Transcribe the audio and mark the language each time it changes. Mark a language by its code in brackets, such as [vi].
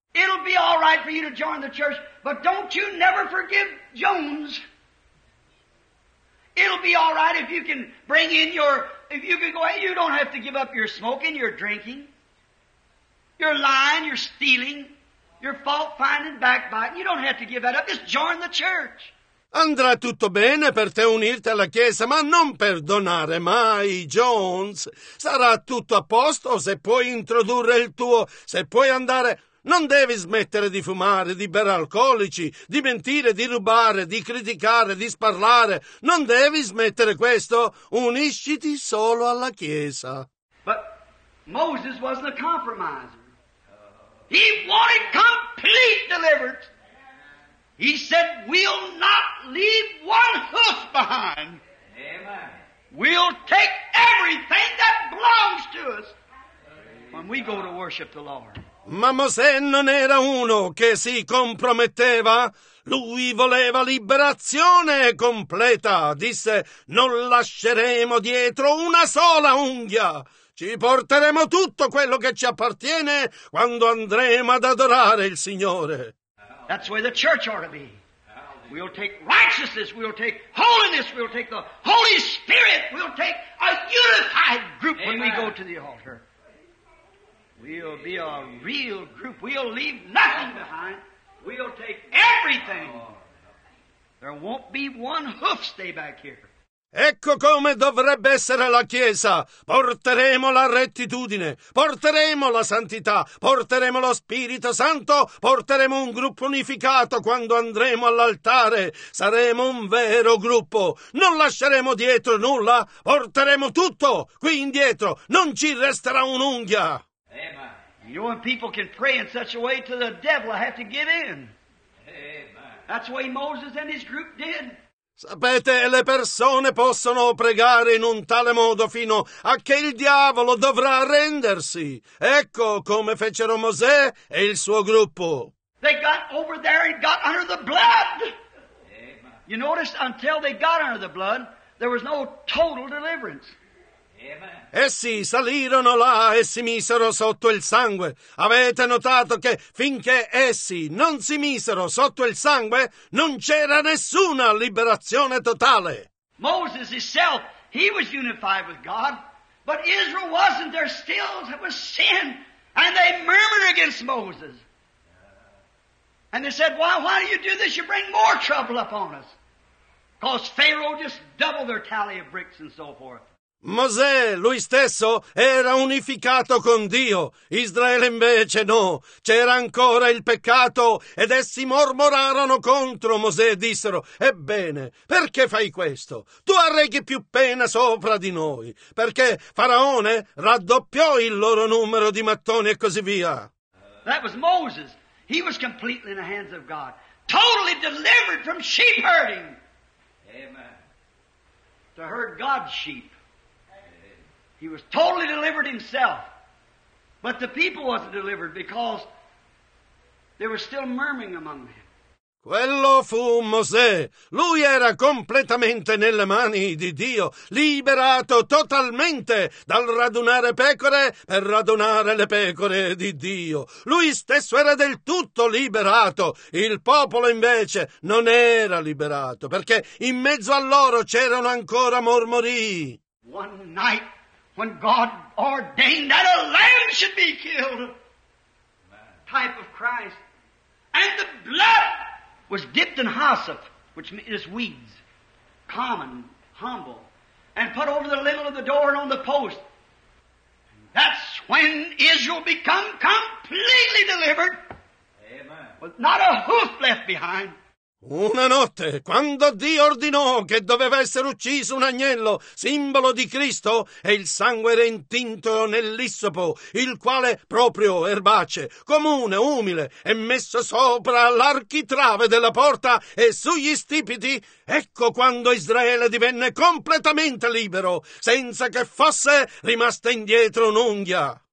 [en] It'll be all right for you to join the church, but don't you never forgive Jones. It'll be all right if you can bring in your, if you can go, hey, you don't have to give up your smoking, your drinking, your lying, your stealing. Your fault-finding, backbiting, you don't have to give that up, just join the church. [it] Andrà tutto bene per te unirti alla chiesa, ma non perdonare mai, Jones. Sarà tutto a posto se puoi introdurre il tuo, se puoi andare. Non devi smettere di fumare, di bere alcolici, di mentire, di rubare, di criticare, di sparlare. Non devi smettere questo, unisciti solo alla chiesa. [en] But Moses wasn't a compromiser. He wanted complete deliverance. He said, we'll not leave one hoof behind. Amen. We'll take everything that belongs to us when we go to worship the Lord. [it] Ma Mosè non era uno che si comprometteva. Lui voleva liberazione completa. Disse, non lasceremo dietro una sola unghia. Ci porteremo tutto quello che ci appartiene quando andremo ad adorare il Signore. [en] That's where the church ought to be. We'll take righteousness, we'll take holiness, we'll take the Holy Spirit, we'll take a unified group. Amen. When we go to the altar. We'll be a real group. We'll leave nothing behind. We'll take everything. There won't be one hoof stay back here. [it] Ecco come dovrebbe essere la Chiesa. Porteremo la rettitudine, porteremo la santità, porteremo lo Spirito Santo, porteremo un gruppo unificato quando andremo all'altare. Saremo un vero gruppo. Non lasceremo dietro nulla, porteremo tutto qui indietro. Non ci resterà un'unghia. Amen. [en] You and people can pray in such a way to the devil, I have to give in. Amen. That's the way Moses and his group did. [it] Sapete, le persone possono pregare in un tale modo fino a che il diavolo dovrà arrendersi. Ecco come fecero Mosè e il suo gruppo. [en] They got over there and got under the blood. Amen. You notice, until they got under the blood, there was no total deliverance. [it] Essi salirono là e si misero sotto il sangue. Avete notato che finché essi non si misero sotto il sangue, non c'era nessuna liberazione totale. [en] Moses himself, he was unified with God, but Israel wasn't. There still was sin, and they murmured against Moses. And they said, why do you do this? You bring more trouble upon us. Because Pharaoh just doubled their tally of bricks and so forth. [it] Mosè, lui stesso, era unificato con Dio. Israele invece no. C'era ancora il peccato ed essi mormorarono contro Mosè e dissero, ebbene, perché fai questo? Tu arrechi più pena sopra di noi. Perché Faraone raddoppiò il loro numero di mattoni e così via. [en] That was Moses. He was completely in the hands of God. Totally delivered from sheep herding. Amen. To herd God's sheep. He was totally delivered himself. But the people wasn't delivered because there was still murmuring among them. [it] Quello fu Mosè. Lui era completamente nelle mani di Dio, liberato totalmente dal radunare pecore per radunare le pecore di Dio. Lui stesso era del tutto liberato. Il popolo invece non era liberato, perché in mezzo a loro c'erano ancora mormori. [en] One night when God ordained that a lamb should be killed, type of Christ, and the blood was dipped in hyssop, which is weeds, common, humble, and put over the lintel of the door and on the post. And that's when Israel become completely delivered. Amen. With not a hoof left behind. [it] Una notte, quando Dio ordinò che doveva essere ucciso un agnello, simbolo di Cristo, e il sangue era intinto nell'issopo, il quale proprio erbace, comune, umile, è messo sopra l'architrave della porta e sugli stipiti, ecco quando Israele divenne completamente libero, senza che fosse rimasta indietro un'unghia.